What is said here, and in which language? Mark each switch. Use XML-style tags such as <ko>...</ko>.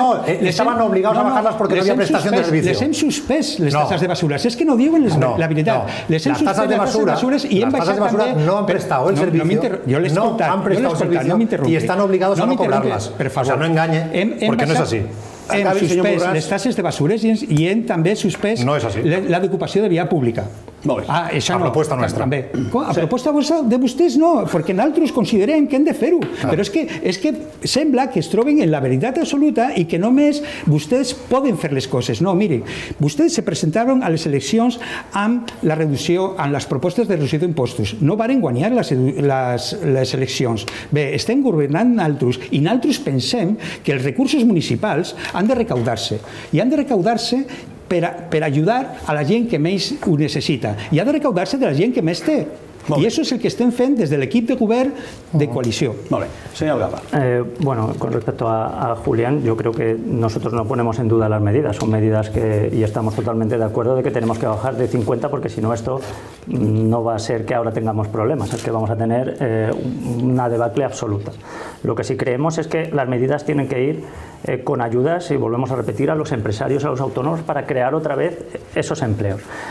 <es>No, estaban obligados a bajarlas porque no había prestación</es> <ca>suspès,</ca> <es>de servicio.</es> <ca>Les hem suspès les</ca> <es>tasas de basura. Es que</es> <ca>no diuen la veritat. No. Les hem suspès</ca> <es>les tasas de basura</es> <ca>i hem baixat també.</ca> <es>No han prestado el servicio. No han prestado el servicio. Y están obligados a no cobrarlas. Pero favor. O sea,</es> <ca>no enganye,</ca> <es>porque no es así.</es> <ca>Hem suspès les tasses de basures i hem també suspès la d'ocupació de via pública. A proposta nostra. A proposta de vostès no, perquè nosaltres considerem que hem de fer-ho. Però és que sembla que es troben en la veritat absoluta i que només vostès poden fer les coses. No, miren, vostès</ca> <es>se presentaron</es> <ca>a les eleccions amb la reducció, amb les propostes de reducció d'impostos. No varen guanyar les eleccions. Bé, estem governant nosaltres i nosaltres pensem que els recursos municipals han de recaudar-se. I han de recaudar-se per ajudar a la gent que més ho necessita. I ha de recaudar-se de la gent que més té. I això és el que estem fent des de l'equip de govern de coalició. Molt bé. Senyor Gapa.</ca> <es>Bueno, con respecto a Julián, yo creo que nosotros no ponemos en duda las medidas. Son medidas que, y estamos totalmente de acuerdo, de que tenemos que bajar de 50, porque si no esto no va a ser que ahora tengamos problemas, es que vamos a tener una debacle absoluta. Lo que sí creemos es que las medidas tienen que ir con ayudas, y volvemos a repetir, a los empresarios, a los autónomos, para crear otra vez esos empleos.</es>